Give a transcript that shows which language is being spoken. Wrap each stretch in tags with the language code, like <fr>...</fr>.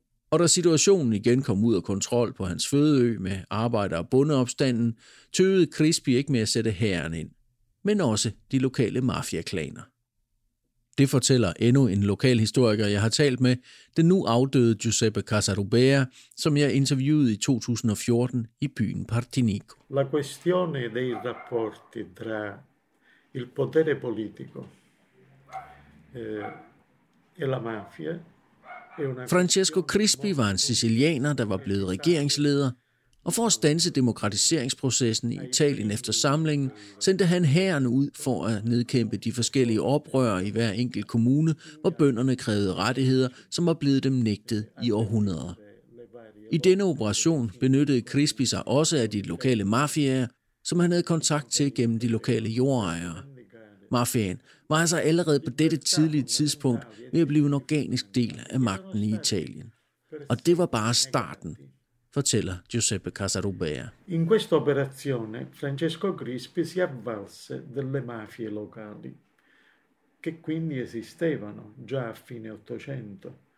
<da>Og da situationen igen kom ud af kontrol på hans fødeø med arbejder- og bondeopstanden, tøvede Crispi ikke med at sætte hæren ind, men også de lokale mafiaklaner. Det fortæller endnu en lokal historiker, jeg har talt med, den nu afdøde Giuseppe Casarubea, som jeg interviewede i 2014 i byen Partinico.</da> <it>La questione dei rapporti tra il potere politico e la mafia.</it> <da>Francesco Crispi var en sicilianer, der var blevet regeringsleder, og for at standse demokratiseringsprocessen i Italien efter samlingen, sendte han hæren ud for at nedkæmpe de forskellige oprør i hver enkelt kommune, hvor bønderne krævede rettigheder, som var blevet dem nægtet i århundreder. I denne operation benyttede Crispi sig også af de lokale mafiaer, som han havde kontakt til gennem de lokale jordejere. Mafiaen var altså allerede på dette tidlige tidspunkt ved at blive en organisk del af magten i Italien. Og det var bare starten, fortæller Giuseppe Casarubea.</da> <it>In questa operazione Francesco Crispi si avvalse delle mafie locali che quindi esistevano già a fine 800.</it>